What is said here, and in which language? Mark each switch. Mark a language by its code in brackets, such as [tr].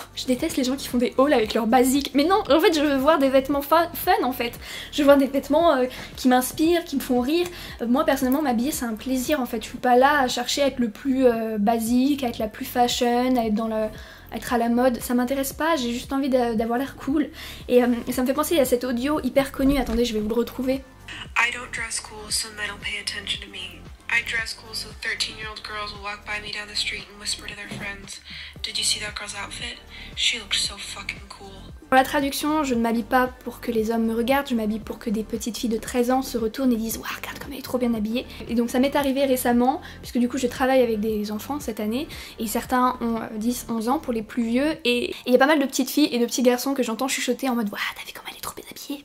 [fr] Oh, je déteste les gens qui font des hauls avec leurs basiques. Mais non, en fait, je veux voir des vêtements fun, en fait. Je veux voir des vêtements qui m'inspirent, qui me font rire. Moi, personnellement, m'habiller, c'est un plaisir, en fait. Je suis pas là à chercher à être le plus basique, à être la plus fashion, à être dans le... être à la mode, ça m'intéresse pas, j'ai juste envie d'avoir l'air cool. Et ça me fait penser à cet audio hyper connu. Attendez, je vais vous le retrouver. [en] I don't dress cool so men don't pay attention to me. I dress cool so 13-year-old girls will walk by me down the street and whisper to their friends, did you see that girl's outfit? She looks so fucking cool. [fr] Pour la traduction, je ne m'habille pas pour que les hommes me regardent, je m'habille pour que des petites filles de 13 ans se retournent et disent « Waouh, regarde comme elle est trop bien habillée !» Et donc ça m'est arrivé récemment, puisque du coup je travaille avec des enfants cette année, et certains ont 10-11 ans pour les plus vieux, et il y a pas mal de petites filles et de petits garçons que j'entends chuchoter en mode « Waouh, t'as vu comme elle est trop bien habillée !»